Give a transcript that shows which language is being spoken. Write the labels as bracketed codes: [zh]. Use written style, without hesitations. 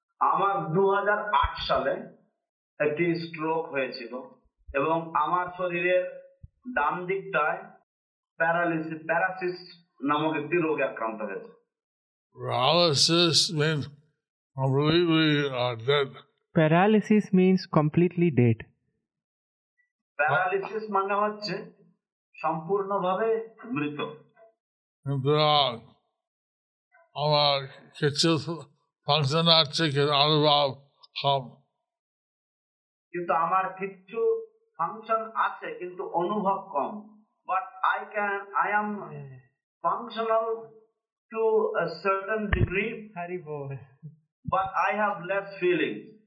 [bn] আমার 2008 সালে একটি স্ট্রোক হয়েছিল, এবং আমার শরীরের ডান দিকটায় paralysis নামক একটি রোগ আক্রান্ত হয়েছে। [en] Paralysis means completely dead. Paralysis means completely dead. [bn] Paralysis মানে হচ্ছে সম্পূর্ণভাবে মৃত। কিন্তু আমার কিছু ফাংশন আছে, কিন্তু অনুভব হম। কিন্তু আমার কিছু ফাংশন আছে, কিন্তু অনুভব কম। [en] But I am functional to a certain degree. Hari Bol. But I have less feelings.